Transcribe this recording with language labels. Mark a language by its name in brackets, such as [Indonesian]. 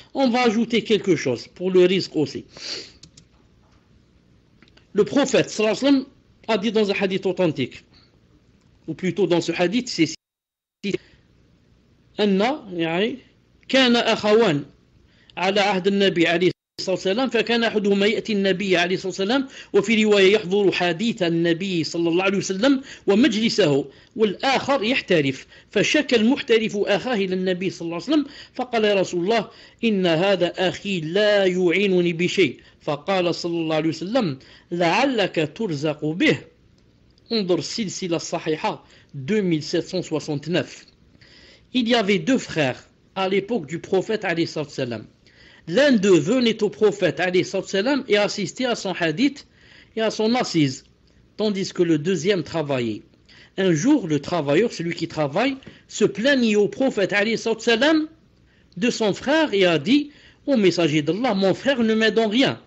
[French] On va ajouter quelque chose pour le risque aussi. Le prophète, sallallahu alayhi wa sallam, a dit dans un hadith authentique, ou plutôt dans ce hadith, c'est si Anna, [Arabic] yani, kana akhawan ala ahd an-nabi alayhi الصلاة والسلام، فكان أحدهما يأتي النبي عليه الصلاة والسلام، وفي رواية يحضر حديث النبي صلى الله عليه وسلم ومجلسه، والآخر يحترف. فشكى المحترف أخاه إلى النبي صلى الله عليه وسلم، فقال: يا رسول الله، إن هذا أخي لا يعينني بشيء. فقال صلى الله عليه وسلم: لعلك ترزق به. انظر السلسلة الصحيحة 2769. [French] Il y avait deux frères à l'époque du prophète alayhi salatu salam. L'un d'eux venait au prophète alayhi salatu salam et assistait à son hadith et à son assise, tandis que le deuxième travaillait. Un jour, le travailleur, celui qui travaille, se plaignit au prophète alayhi salatu salam de son frère et a dit: « Ô messager d'Allah, mon frère ne m'aide en rien.